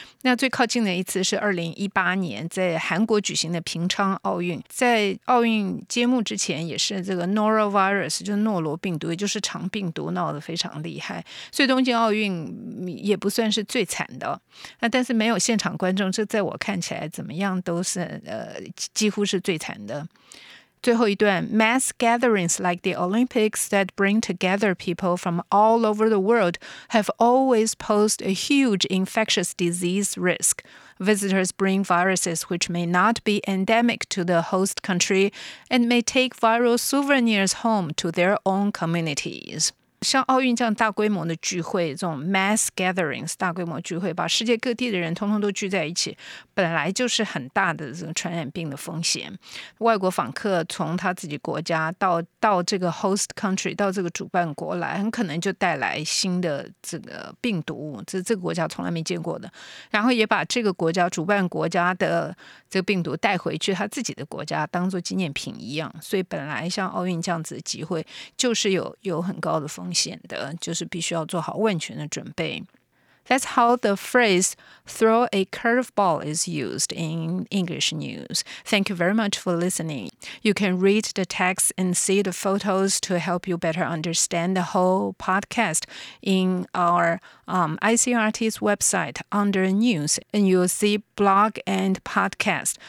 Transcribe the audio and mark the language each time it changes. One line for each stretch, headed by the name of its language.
Chinese: 那最靠近的一次是2018年在韩国举行的平昌奥运，在奥运揭幕之前也是这个 Norovirus 就是诺罗病毒，也就是肠病毒闹得非常厉害，所以东京奥运也不算是最惨的。那但是没有现场观众，这在我看起来怎么样都是几乎是最惨的。
English: 最后一段 Mass gatherings like the Olympics that bring together people from all over the world have always posed a huge infectious disease risk. Visitors bring viruses which may not be endemic to the host country and may take viral souvenirs home to their own communities.
Chinese: 像奥运这样大规模的聚会，这种
English: mass gatherings
Chinese: 大规模聚会，把世界各地的人通通都聚在一起，本来就是很大的这种传染病的风险。外国访客从他自己国家 到这个
English: host country
Chinese: 到这个主办国来，很可能就带来新的这个病毒，这是这个国家从来没见过的，然后也把这个国家主办国家的这个病毒带回去他自己的国家当做纪念品一样。所以本来像奥运这样子的集会就是 有很高的风险的，就是必须要做好万全的准备。
English: That's how the phrase throw a curveball is used in English news. Thank you very much for listening. You can read the text and see the photos to help you better understand the whole podcast in our ICRT's website under news, and you'll see blog and podcast.